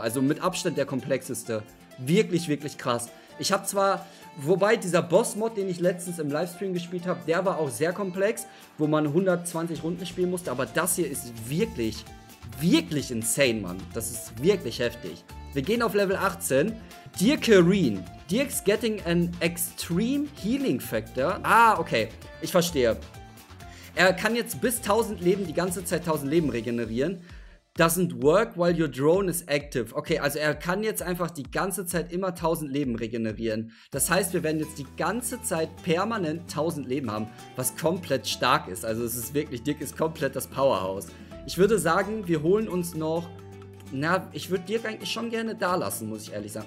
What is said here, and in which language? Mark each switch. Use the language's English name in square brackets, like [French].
[German] Also mit Abstand der komplexeste. Wirklich, wirklich krass. Ich habe zwar, wobei dieser Boss-Mod, den ich letztens im Livestream gespielt habe, der war auch sehr komplex, wo man 120 Runden spielen musste. Aber das hier ist wirklich, wirklich insane, Mann. Das ist wirklich heftig. Wir gehen auf Level 18. Dirkerin. [English] Dirk's getting an extreme healing factor. [German] Ah, okay. Ich verstehe. Er kann jetzt bis 1000 Leben, die ganze Zeit 1000 Leben regenerieren. [English] Doesn't work while your drone is active. [German] Okay, also er kann jetzt einfach die ganze Zeit immer 1000 Leben regenerieren. Das heißt, wir werden jetzt die ganze Zeit permanent 1000 Leben haben, was komplett stark ist. Also es ist wirklich, Dirk ist komplett das Powerhouse. Ich würde sagen, wir holen uns noch, na, ich würde Dirk eigentlich schon gerne da lassen, muss ich ehrlich sagen.